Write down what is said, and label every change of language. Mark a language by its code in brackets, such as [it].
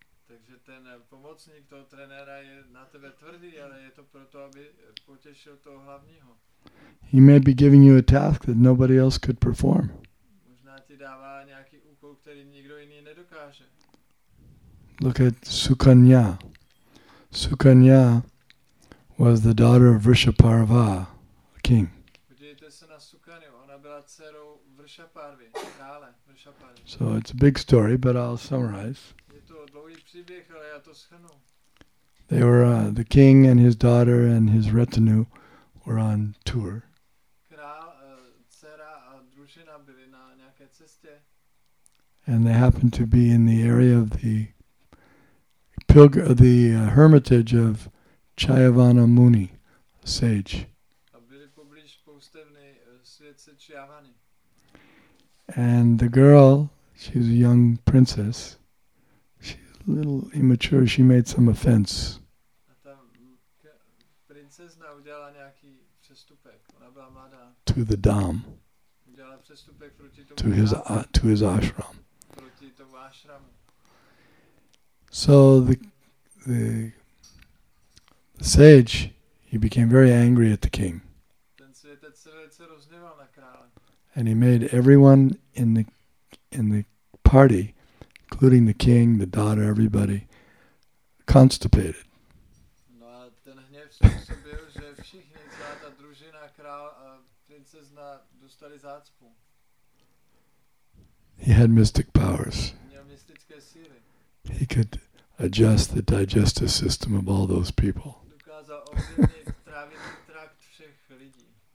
[cs] Takže ten pomocník toho trenéra je na tebe tvrdý, ale je to proto, aby potěšil toho hlavního. [en] He may be giving you a task that nobody else could perform. [cs] Možná ti dává nějaký úkol, který nikdo jiný nedokáže. [en] Look at Sukanya. Sukanya was the daughter of Vrishaparva, a king. [cs] Podívejte se na Sukanyu, ona byla dcerou Vrishaparvy, krále. [en] So it's a big story, but I'll summarize. [cs] Je to dlouhý příběh, ale já to shrnu. [en] They were the king and his daughter and his retinue were on tour. [cs] Král, dcera a družina byli na nějaké cestě. [en] And they happened to be in the area of the hermitage of Chayavana Muni, sage. [cs] A byli poblíž poustevny světce Chayavany. [en] And the girl, she's a young princess. She's a little immature. She made some offense. [cs] Princezna udělala nějaký přestupek. Ona byla mladá. [en] To the dom. [cs] Udělala přestupek proti tomu. [en] To his ashram. [cs] Proti tomu ashramu. [en] So the sage, he became very angry at the king. [cs] Ten světec se velice rozhněval na krále. [en] And he made everyone in the party, including the king, the daughter, everybody, constipated. [cs] No a ten hněv způsobil, že všichni, celá ta družina, král a princezna dostali zácpu. [en] He had mystic powers. [cs] Měl mystické síly. [en] He could adjust the digestive system of all those people. [cs] Dokázal ovlivnit trávicí trakt všech lidí.